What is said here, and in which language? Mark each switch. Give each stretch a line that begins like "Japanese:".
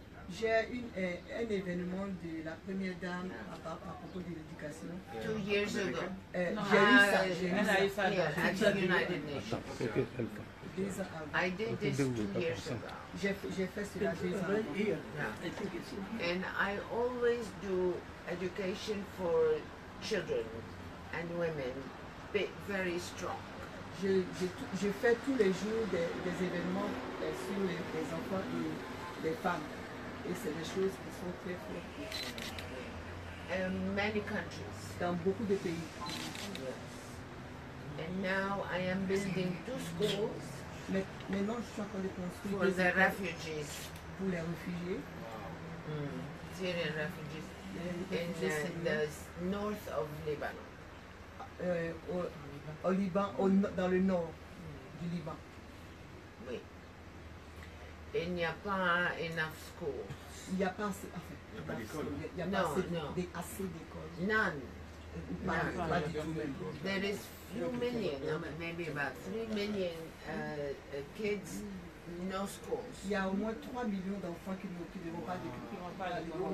French: J'ai un événement de la première dame à propos de l'éducation.
English: 2 years ago. And I always do education for children and women, but very strong.
French: Je fais tous les jours des événements sur les enfants et les femmes. Et c'est des choses qui sont très fortes.
English: In many countries.
French: Dans beaucoup de pays.
English: Yes. And now I am building 2 schools.
French: Maintenant, je suis en train de construire
English: for the refugees.
French: Pour les réfugiés.
English: Syrian refugees. In the north of Lebanon.
French: Au Liban, dans le nord du Liban. Oui. Il n'y a pas
English: enough schools.
French: Il n'y a pas assez. Enfin, il n'y a pas d'école. Il n'y a pas assez d'écoles.
English: None.
French: Pas du tout.
English: There is few million, maybe about 3 million kids, no schools.
French: Il y a au moins 3 millions d'enfants qui n'ont pas d'école.